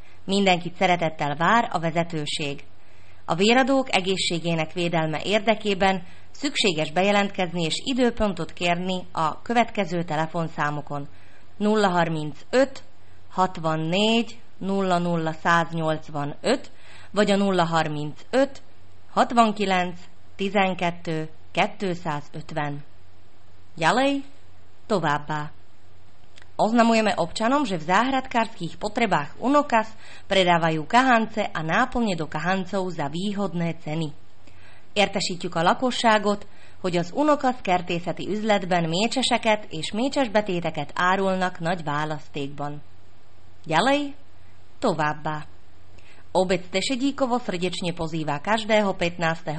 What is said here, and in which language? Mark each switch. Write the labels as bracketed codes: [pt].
[hu] Mindenkit szeretettel vár a vezetőség. A véradók egészségének védelme érdekében szükséges bejelentkezni és időpontot kérni a következő telefonszámokon: 035 64 00 185 vagy a 035 69 12 250. [sk] Ďalej, továbbá. Oznamujeme občanom, že v záhradkárskych potrebách Unokas predávajú kahance a náplne do kahancov za výhodné ceny. [hu] Értesítjük a lakosságot, hogy az Unokas kertészeti üzletben mécseseket és mécsesbetéteket árulnak nagy választékban. [sk] Ďalej, továbbá. Obec Tešedíkovo srdečne pozýva každého 15.